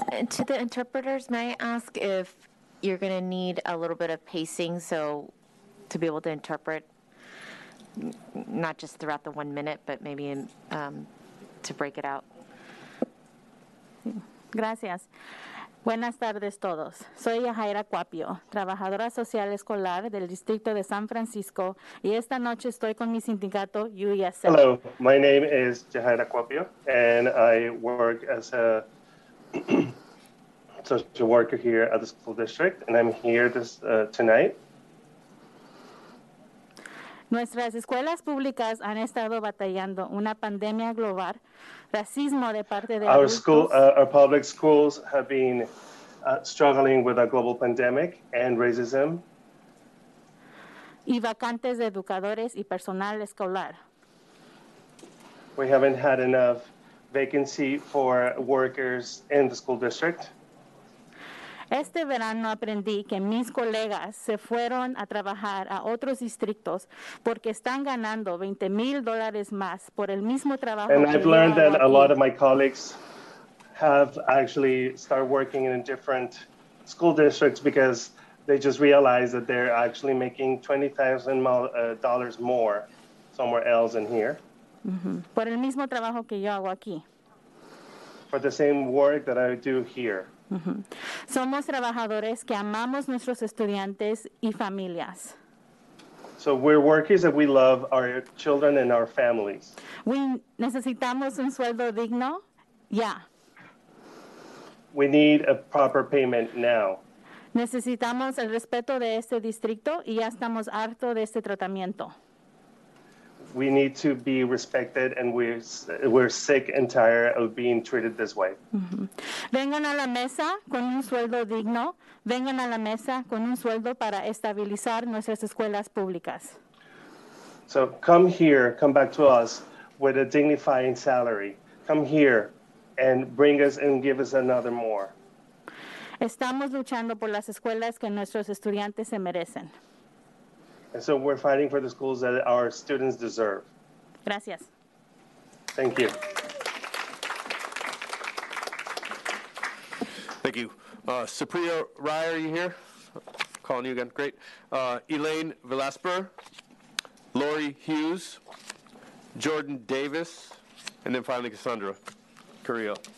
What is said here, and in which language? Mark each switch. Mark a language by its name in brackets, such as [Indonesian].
[English] To the interpreters, may I ask if you're going to need a little bit of pacing so to be able to interpret, not just throughout the 1 minute, but maybe in, to break it out? [Spanish] Gracias. Buenas tardes todos. Soy Yajaira Cuapio, trabajadora social escolar del Distrito de San Francisco, y esta noche estoy con mi sindicato UESL. [English] Hello, my name is Yajaira Cuapio, and I work as a social worker here at the school district, and I'm here this tonight. [Spanish] Nuestras escuelas públicas han estado batallando una pandemia global. Racismo de parte de [English] our school, our public schools have been struggling with a global pandemic and racism. [Spanish] Y vacantes de educadores y personal escolar. [English] We haven't had enough vacancy for workers in the school district. [Spanish] Este verano aprendí que mis colegas se fueron a trabajar a otros distritos porque están ganando $20,000 más por el mismo trabajo. [English] And I've learned that a lot of my colleagues have actually started working in different school districts because they just realized that they're actually making $20,000 more somewhere else than here. Mm-hmm. [Spanish] Por el mismo trabajo que yo hago aquí. [English] For the same work that I do here. Mm-hmm. [Spanish] Somos trabajadores que amamos nuestros estudiantes y familias. [English] So we're workers that we love our children and our families. [Spanish] We necesitamos un sueldo digno, ya. Yeah. [English] We need a proper payment now. [Spanish] Necesitamos el respeto de este distrito y ya estamos harto de este tratamiento. [English] We need to be respected, and we're sick and tired of being treated this way. Mm-hmm. [Spanish] Vengan a la mesa con un sueldo digno. Vengan a la mesa con un sueldo para estabilizar nuestras escuelas públicas. [English] So come here, come back to us with a dignifying salary. Come here and bring us and give us another more. [Spanish] Estamos luchando por las escuelas que nuestros estudiantes se merecen. [English] And so we're fighting for the schools that our students deserve. [Spanish] Gracias. [English] Thank you. Thank you. Supriya Rai, are you here? Calling you again. Great. Elaine Velasper, Lori Hughes, Jordan Davis, and then finally Cassandra Carrillo.